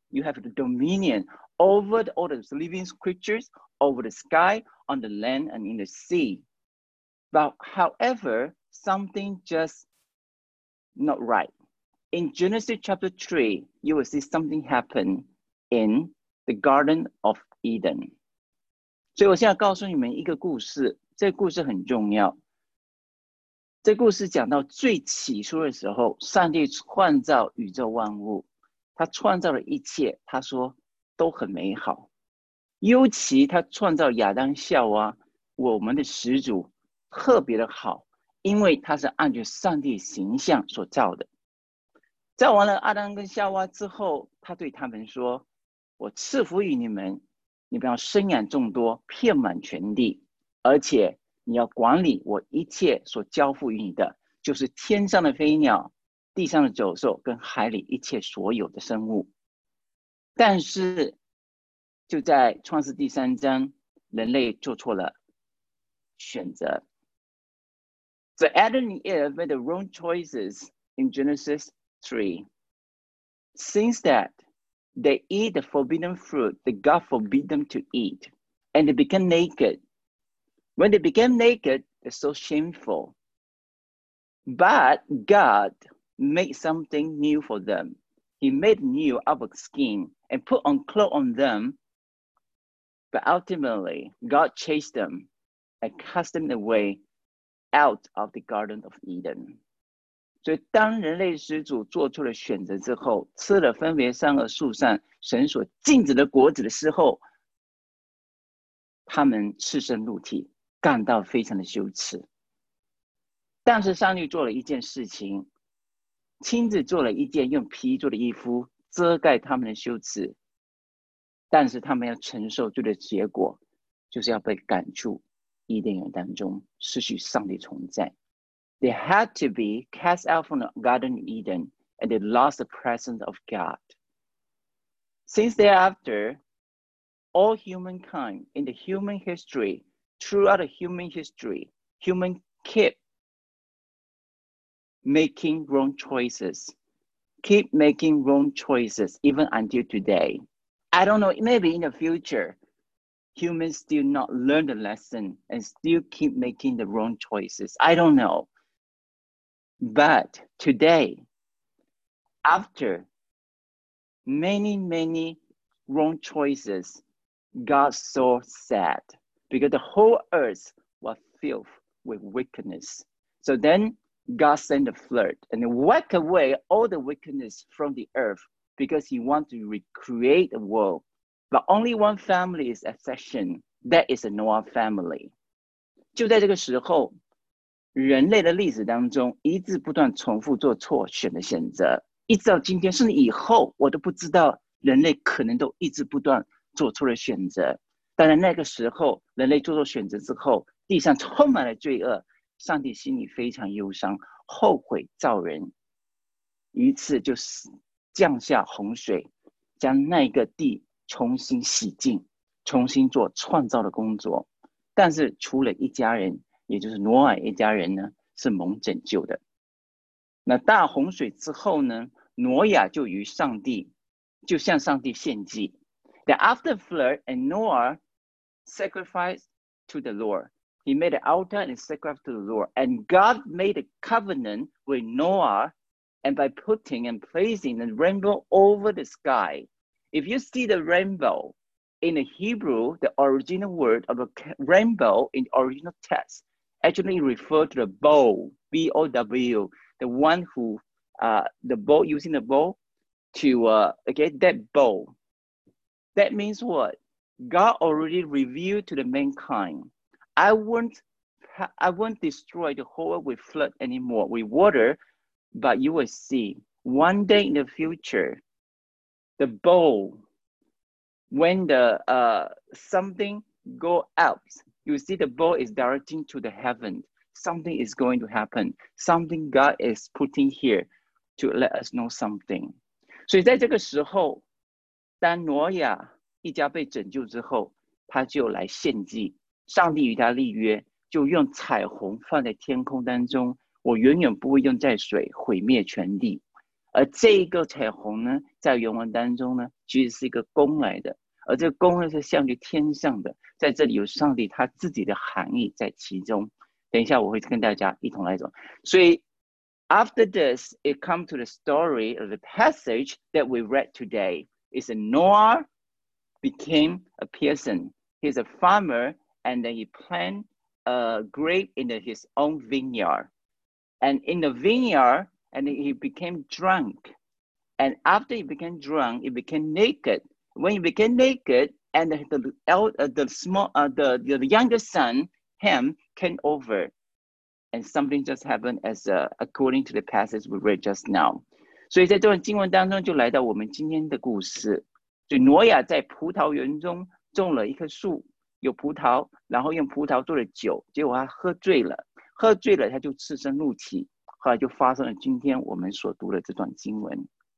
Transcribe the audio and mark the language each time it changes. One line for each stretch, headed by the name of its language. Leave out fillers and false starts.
English: You have the dominion over all the living creatures, over the sky, on the land, and in the sea." But however, something just not right. In Genesis chapter 3, you will see something happen in The Garden of Eden.
Chinese: 所以我现在告诉你们一个故事，这故事很重要。这故事讲到最起初的时候，上帝创造宇宙万物，他创造了一切，他说都很美好。尤其他创造亚当夏娃，我们的始祖特别的好，因为他是按照上帝形象所造的。造完了阿当跟夏娃之后，他对他们说，我赐福于你们，你们要生养众多，遍满全地，而且你要管理我一切所交付于你的，就是天上的飞鸟、地上的走兽跟海里一切所有的生物。但是就在创世第三章，人类做错了选择。
English: So Adam and Eve made the wrong choices in Genesis 3. Since thatThey eat the forbidden fruit that God forbid them to eat, and they became naked. When they became naked, they're so shameful. But God made something new for them. He made new out of skin and put on clothes on them. But ultimately, God chased them and cast them away out of the Garden of Eden.
Chinese: 所以当人类始祖做出了选择之后，吃了分别善恶树上神所禁止的果子的时候，他们赤身露体，感到非常的羞耻。但是上帝做了一件事情，亲自做了一件用皮做的衣服遮盖他们的羞耻，但是他们要承受罪的结果，就是要被赶出伊甸园当中，失去上帝同在。
English: They had to be cast out from the Garden of Eden, and they lost the presence of God. Since thereafter, all humankind in the human history, throughout the human history, human keep making wrong choices, keep making wrong choices, even until today. I don't know, maybe in the future, humans still not learn the lesson and still keep making the wrong choices. I don't know. But today, after many, many wrong choices, God saw sad because the whole earth was filled with wickedness. So then God sent a flood and wiped away all the wickedness from the earth because he wanted to recreate the world. But only one family is exception. That is the Noah family.
Chinese: 就在这个时候人类的历史当中一直不断重复做错选的选择，一直到今天甚至以后，我都不知道人类可能都一直不断做错的选择。当然那个时候人类做错选择之后，地上充满了罪恶，上帝心里非常忧伤，后悔造人，于是就降下洪水，将那个地重新洗净，重新做创造的工作。但是除了一家人，也就是挪亚一家人呢，是蒙拯救的。那大洪水之后呢，挪亚就与上帝，就向上帝献祭。
English: The after flood, and Noah sacrificed to the Lord. He made an altar and sacrificed to the Lord. And God made a covenant with Noah, and by putting and placing the rainbow over the sky. If you see the rainbow in the Hebrew, the original word of a rainbow in the original text. Actually refer to the bow, B-O-W, the one who, the bow, using the bow to, okay, that bow. That means what? God already revealed to the mankind, I won't destroy the whole world with flood anymore, with water, but you will see one day in the future, the bow, when the, something go out,You see the ball is directing to the heaven. Something is going to happen. Something God is putting here to let us know something.
Chinese: 所以在这个时候，当挪亚一家被拯救之后，他就来献祭。上帝与他立约，就用彩虹放在天空当中。我永远不会用在水毁灭全地。而这一个彩虹呢，在原文当中呢，其实是一个弓来的。而这个弓呢是向着天上的，在这里有上帝他自己的含义在其中。等一下我会跟大家一同来走。所以
English: after this, it comes to the story of the passage that we read today. It's a Noah became a person. He's a farmer and then he planted a grape in his own vineyard. And in the vineyard, and he became drunk. And after he became drunk, he became naked. When he became naked, and the younger son, Ham, came over. And something just happened as according to the passage we read just now.
Chinese: 所以在这段经文当中就来到我们今天的故事。所以挪亚在葡萄园中种了一棵树，有葡萄，然后用葡萄做了酒，结果他喝醉了。喝醉了他就赤身露体，后来就发生了今天我们所读的这段经文。